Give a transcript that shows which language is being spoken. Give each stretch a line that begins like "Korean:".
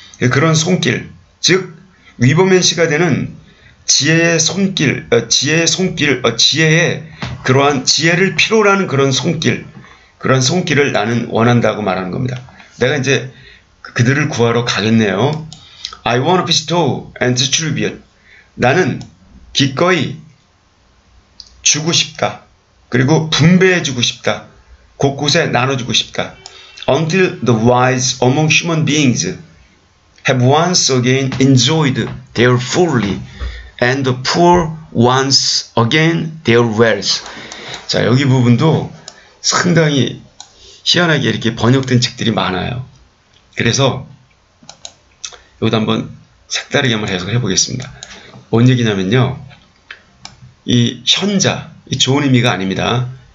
Korean: 그런 손길, 즉 위버맨시가 되는 지혜의 손길, 지혜의 그러한 지혜를 필요로 하는 그런 손길, 그런 손길을 나는 원한다고 말하는 겁니다. 내가 이제 그들을 구하러 가겠네요.
English: I want to bestow and distribute.
Korean: 나는 기꺼이 주고 싶다. 그리고 분배해 주고 싶다. 곳곳에 나눠주고 싶다.
English: Until the wise among human beings have once again enjoyed their fully and the poor once again their wealth.
Korean: 자, 여기 부분도 상당히 희한하게 이렇게 번역된 책들이 많아요. 그래서 이것도 한번 색다르게 한번 해석을 해보겠습니다. 뭔 얘기냐면요, 이 현자, 이 좋은 의미가 아닙니다.